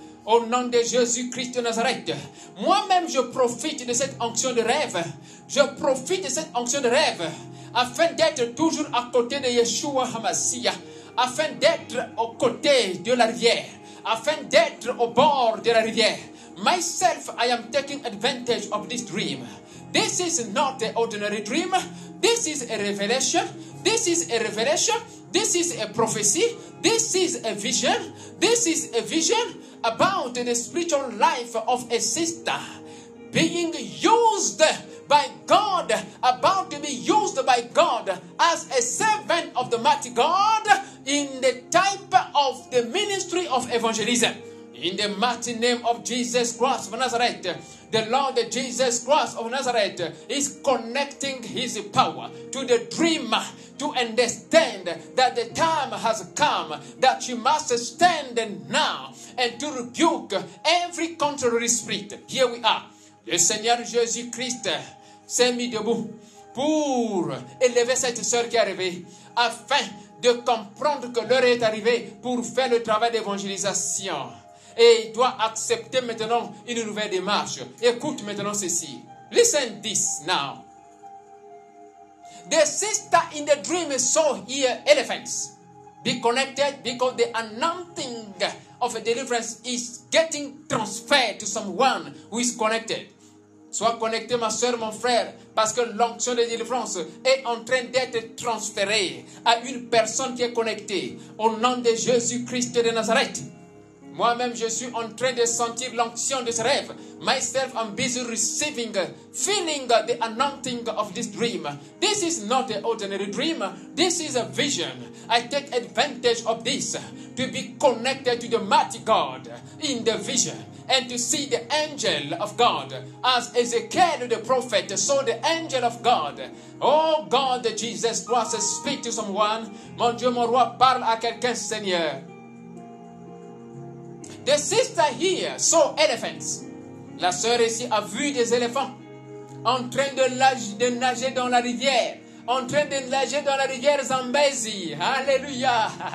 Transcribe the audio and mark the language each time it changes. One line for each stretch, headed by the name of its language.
French: Au nom de Jésus-Christ de Nazareth, moi-même je profite de cette onction de rêve. Je profite de cette onction de rêve afin d'être toujours à côté de Yeshua HaMashiach, afin d'être aux côtés de la rivière, afin d'être au bord de la rivière.
English: Myself, I am taking advantage of this dream. This is not an ordinary dream. This is a revelation. This is a revelation. This is a prophecy. This is a vision. This is a vision about the spiritual life of a sister being used by God, about to be used by God as a servant of the mighty God in the type of the ministry of evangelism. In the mighty name of Jesus Christ of Nazareth, the Lord Jesus Christ of Nazareth is connecting his power to the dream to understand that the time has come that she must stand now and to rebuke every contrary spirit. Here we are.
French: Le Seigneur Jésus Christ s'est mis debout pour élever cette sœur qui est arrivée afin de comprendre que l'heure est arrivée pour faire le travail d'évangélisation. Et il doit accepter maintenant une nouvelle démarche. Écoute maintenant ceci.
English: Listen this now. The sister in the dream saw here elephants. Be connected because the anointing of a deliverance is getting transferred to someone who is connected.
French: Sois connecté ma soeur, mon frère, parce que l'onction de délivrance est en train d'être transférée à une personne qui est connectée. Au nom de Jésus-Christ de Nazareth. Moi-même, je suis en train de sentir l'onction de ce rêve.
English: Myself, I'm busy receiving, feeling the anointing of this dream. This is not an ordinary dream. This is a vision. I take advantage of this to be connected to the mighty God in the vision. and to see the angel of God, as Ezekiel the prophet saw the angel of God. Oh God, Jesus Christ, speak to someone.
French: Mon Dieu, mon roi, parle à quelqu'un, Seigneur.
English: The sister here saw elephants.
French: La sœur ici a vu des éléphants en train de nager dans la rivière. En train de nager dans la rivière Zambezi. Alléluia.